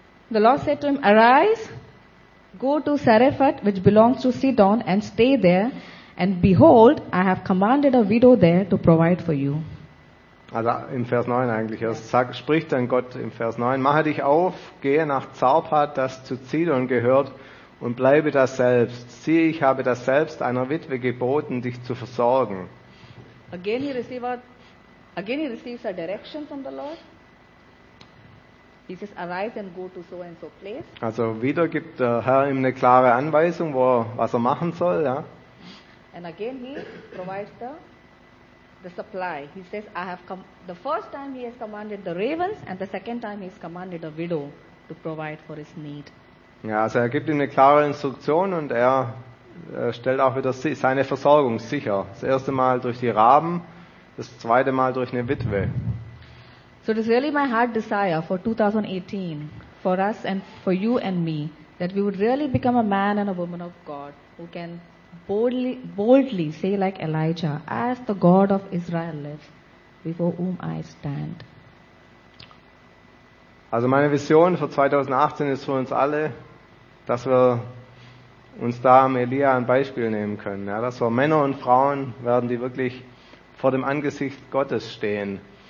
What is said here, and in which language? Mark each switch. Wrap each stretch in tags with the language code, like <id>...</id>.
<en>The Lord said to him, arise, go to Sarephath, which belongs to Sidon, and stay there. And behold, I have commanded a widow there to provide for you.</en> <de>Also im Vers 9 eigentlich. Spricht dann Gott im Vers 9, mache dich auf, gehe nach Zarephath, das zu Sidon gehört, und bleibe das selbst. Siehe, ich habe das selbst einer Witwe geboten, dich zu versorgen.</de> <en>Again he receives a direction from the Lord. He says, arise and go to so and so place.</en> <de>Also wieder gibt der Herr ihm eine klare Anweisung, wo er, was er machen soll, ja.</de> <en>And again he provides the supply. He says, I have come. The first time he has commanded the ravens, and the second time he has commanded a widow to provide for his need.</en> <de>Ja, also er gibt ihm eine klare Instruktion und er stellt auch wieder seine Versorgung sicher. Das erste Mal durch die Raben, das zweite Mal durch eine Witwe.</de> <en>So it is really my heart desire for 2018, for us and for you and me, that we would really become a man and a woman of God who can boldly say like Elijah, as the God of Israel lives, before whom I stand.</en> <de>Also meine Vision für 2018 ist für uns alle, dass wir uns da am Elia ein Beispiel nehmen können. Ja, dass wir Männer und Frauen werden, die wirklich vor dem Angesicht Gottes stehen.</de>